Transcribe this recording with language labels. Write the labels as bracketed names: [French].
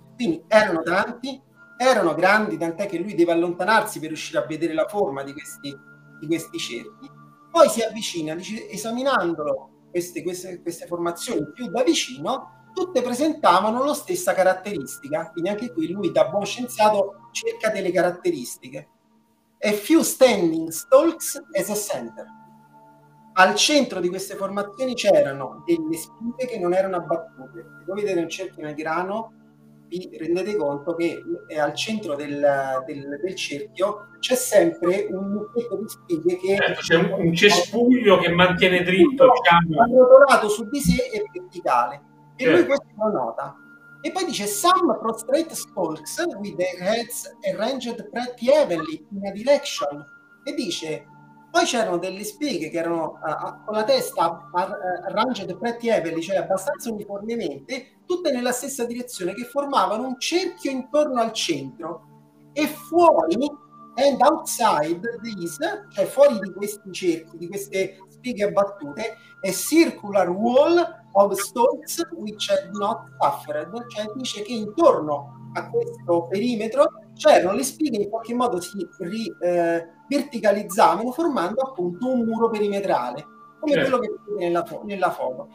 [Italian] Quindi erano tanti, erano grandi, tant'è che lui deve allontanarsi per riuscire a vedere la forma di questi cerchi. Poi si avvicina, dice, esaminandolo queste formazioni più da vicino, tutte presentavano la stessa caratteristica. Quindi anche qui lui, da buon scienziato, cerca delle caratteristiche. [English] A few standing stalks as a center. [Italian] Al centro di queste formazioni c'erano delle spighe che non erano abbattute. Se voi vedete un cerchio nel grano, vi rendete conto che al centro del cerchio c'è sempre un mucchietto di spighe che... c'è un cespuglio che mantiene dritto, diciamo. Arrotolato su di sé e verticale. E lui questo lo nota. E poi dice, [English] some prostrate stalks with their heads arranged pretty evenly in a direction. [Italian] E dice, poi c'erano delle spighe che erano con la testa [English] arranged pretty evenly, [Italian] cioè abbastanza uniformemente, tutte nella stessa direzione, che formavano un cerchio intorno al centro. E fuori, [English] and outside these, [Italian] cioè fuori di questi cerchi, di queste spighe abbattute, [English] a circular wall of stalks which had not suffered, [Italian] cioè dice che intorno a questo perimetro c'erano le spighe in qualche modo si verticalizzavano formando appunto un muro perimetrale, come quello che vedete nella foto.